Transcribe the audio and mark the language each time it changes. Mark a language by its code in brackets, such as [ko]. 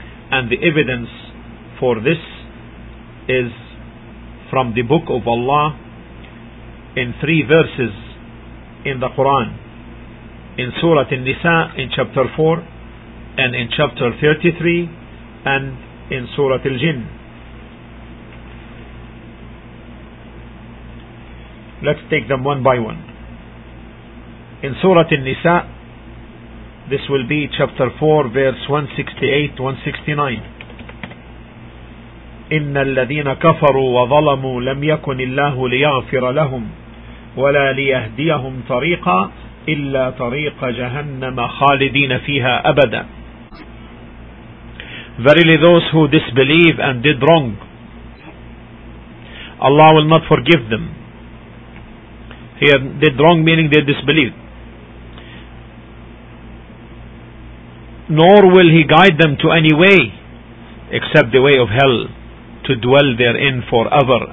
[en] And the evidence for this is from the Book of Allah in 3 verses in the Quran, in Surah An-Nisa in chapter 4, and in chapter 33, and in Surah Al-Jinn. Let's take them one by one. In Surah An-Nisa, this will be chapter 4, verse 168-169. [ar] إن الذين كفروا وظلموا لم يكن الله ليغفر لهم ولا ليهديهم طريقا إلا طريق جهنم خالدين فيها أبدا. [en] Verily those who disbelieve and did wrong, Allah will not forgive them. He did wrong, meaning they disbelieved. Nor will he guide them to any way except the way of hell, to dwell therein forever.